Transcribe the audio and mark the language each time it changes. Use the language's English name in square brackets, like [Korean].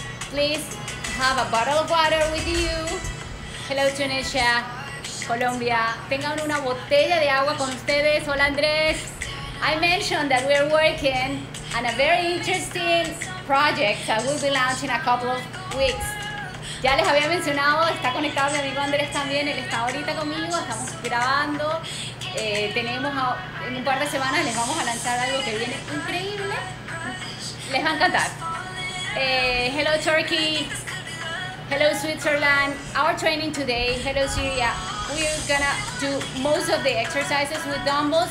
[English] Please have a bottle of water with you. Hello Tunisia, Colombia. [Spanish] Tengan una botella de agua con ustedes. Hola Andrés. [English] I mentioned that we're working on a very interesting project that we'll be launching in a couple of weeks. [Spanish] Ya les había mencionado, está conectado mi amigo Andrés también, él está ahorita conmigo, estamos grabando. En un par de semanas les vamos a lanzar algo que viene increíble. Les va a encantar. [English] Hello Turkey, hello Switzerland, our training today, hello Syria. We're gonna do most of the exercises with dumbbells.